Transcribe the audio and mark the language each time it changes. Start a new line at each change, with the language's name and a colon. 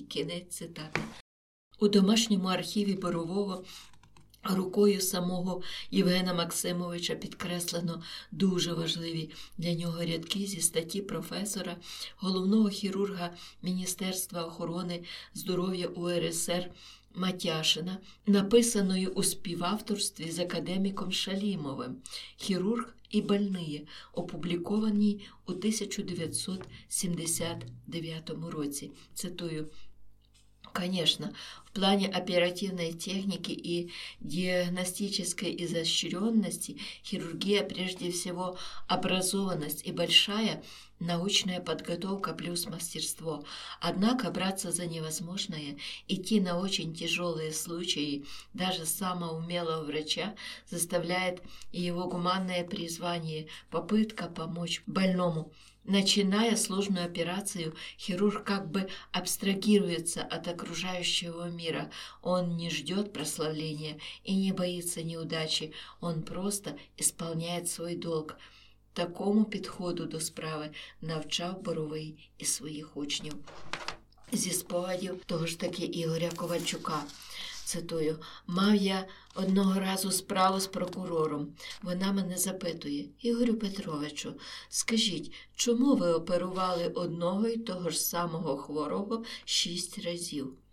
Ukrainian: Кінець цитати. У домашньому архіві Борового рукою самого Євгена Максимовича підкреслено дуже важливі для нього рядки зі статті професора, головного хірурга Міністерства охорони здоров'я УРСР Матяшина, написаною у співавторстві з академіком Шалімовим «Хірург і больниє», опублікованій у 1979 році. Цитую.
Russian: Конечно, в плане оперативной техники и диагностической изощренности хирургия прежде всего образованность и большая научная подготовка плюс мастерство. Однако браться за невозможное, идти на очень тяжелые случаи даже самого умелого врача заставляет его гуманное призвание, попытка помочь больному. Начиная сложную операцию, хирург как бы абстрагируется от окружающего мира. Он не ждет прославления и не боится неудачи. Он просто исполняет свой долг.
Ukrainian: Такому підходу до справи навчав Боровий і своїх учнів. Зі спогадів того ж таки Ігоря Ковальчука. Цитую. «Мав я одного разу справу з прокурором. Вона мене запитує. Ігорю Петровичу, скажіть, чому ви оперували одного і того ж самого хворого 6 разів?